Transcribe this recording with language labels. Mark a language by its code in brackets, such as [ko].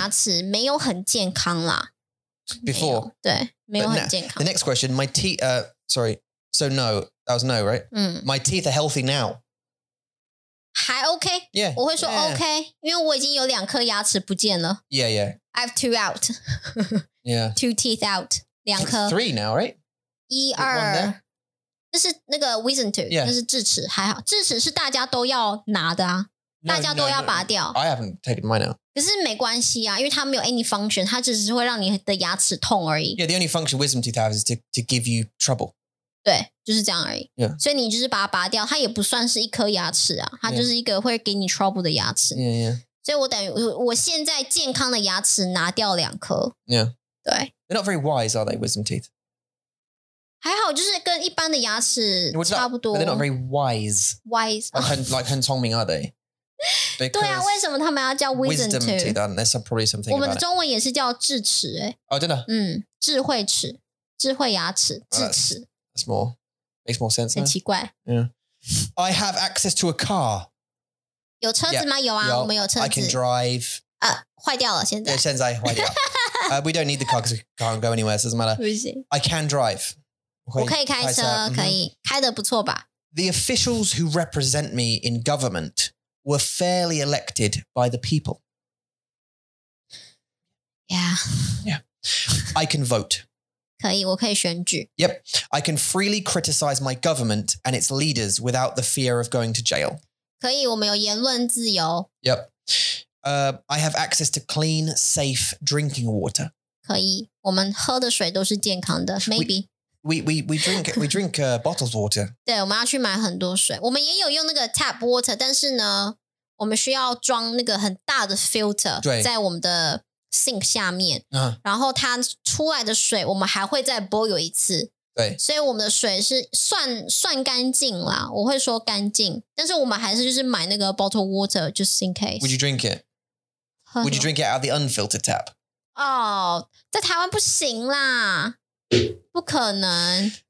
[zh] 所以我觉得我的牙齿没有很健康啦。 [en] Before? [zh] 对,没有很健康。 [en] The next question, my teeth, sorry, so no, that was no, right? My teeth are healthy now. [zh] 还OK? [en] Yeah. [zh] 我会说OK, 因为我已经有两颗牙齿不见了。 [en] Yeah, yeah. I have two out. Yeah. Two teeth out. [zh] 两颗, [en] three now, right? [zh] 一二, 这是那个 wisdom tooth, 这是智齿, 还好, 智齿是大家都要拿的啊, [en] no, [zh] 大家都要拔掉, [en] no, I haven't taken mine out. [zh] 可是没关系啊, 因为它没有 [en] any function, [zh] 它只是会让你的牙齿痛而已。 [en] Yeah, the only function wisdom tooth has is to give you trouble. [zh] 对,就是这样而已。 [en] Yeah. [zh] 所以你就是把它拔掉, 它也不算是一颗牙齿啊, 它就是一个会给你 trouble 的牙齿。 [en] Yeah, yeah. [zh] 所以我等于我现在健康的牙齿拿掉两颗。 [en] Yeah. [zh] 对。 [en] They're not very wise, are they, wisdom teeth? [zh] 还好,就是跟一般的牙齿差不多。 [en] They're not very wise. Wise. Like, [zh] 很聪明, [en] are they? [zh] 对啊,为什么他们要叫 [en] wisdom teeth? Wisdom teeth, there's probably something about it. [zh] 我们的中文也是叫智齿, 诶。 [en] Oh, I don't know. [zh] 智慧齿, 智慧牙齿, 智齿。 [en] That's more, makes more sense. [zh] 很奇怪。 [en] Yeah. I have access to a car. [zh] 有车子吗?有啊, 我们有车子。 [en] I can drive. [zh] 坏掉了,现在。对,现在坏掉了。 [en] we don't need the car because we can't go anywhere, so it doesn't matter. I can drive. [zh] 我可以开车,可以,开得不错吧。 [en] The officials who represent me in government were fairly elected by the people. Yeah. Yeah. I can vote. [zh] 可以，我可以选举。 [en] Yep. I can freely criticize my government and its leaders without the fear of going to jail. [zh] 可以，我们有言论自由。 [en] Yep. I have access to clean, safe drinking water. [zh] 可以，我们喝的水都是健康的。 [en] Maybe. We drink bottled water. [zh] 对，我们要去买很多水。我们也有用那个 tap water, 但是呢，我们需要装那个很大的 filter 在我们的sink 下面、uh-huh. 然后它出来的水我们还会再 boil 一次对所以我们的水是算干净啦我会说干净但是我们还是就是买那个 [en] bottle water just in case Would you drink it? Would you drink it out of the unfiltered tap? [zh] 哦、oh, 在台湾不行啦不可能